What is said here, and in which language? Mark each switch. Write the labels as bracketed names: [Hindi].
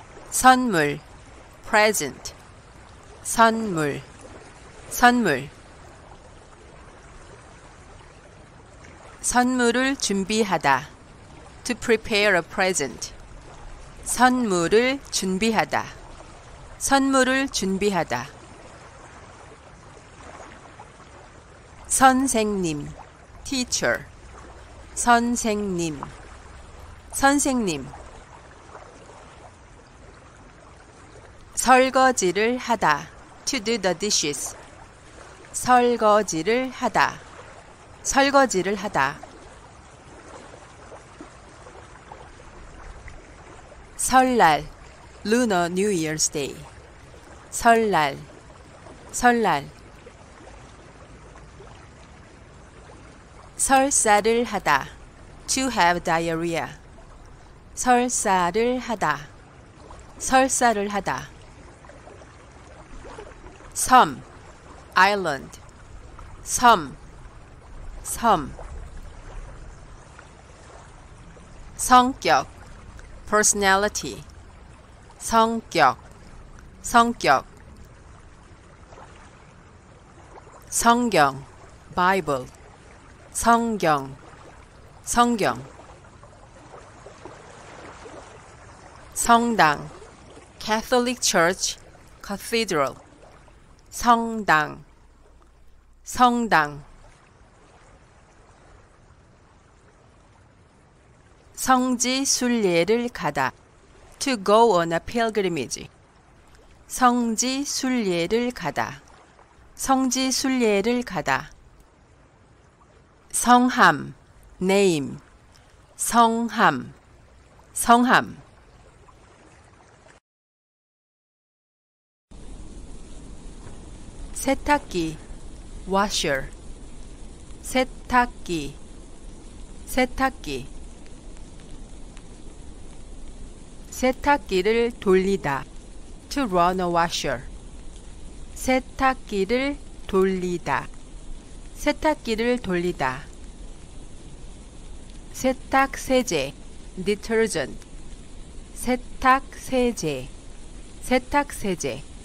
[Korean] 선물, present. 선물, 선물. 선물을 준비하다, [English] to prepare a present. [Korean] 선물을 준비하다, 선물을 준비하다. 선생님, teacher. 선생님, 선생님. 설거지를 하다, [English] to do the dishes. [Korean] 설거지를 하다, 설거지를 하다. [English] 설날, Lunar New Year's Day. [Korean] 설날, 설날. 설사를 하다, [English] to have diarrhea. [Korean] 설사를 하다, 설사를 하다. 섬, island. 섬, 섬. 성격, personality, 성격, 성격. 성경, Bible, 성경, 성경. 성당, [English] Catholic Church, Cathedral, [Korean] 성당, 성당. 성지 순례를 가다, [English] to go on a pilgrimage. [Korean] 성지 순례를 가다, 성지 순례를 가다. 성함, name, 성함, 성함. 세탁기, washer, 세탁기, 세탁기. 세탁기를 돌리다, [English] to run a washer. [Korean] 세탁기를 돌리다, 세탁기를 돌리다. 세탁세제, detergent. 세탁세제, 세탁세제.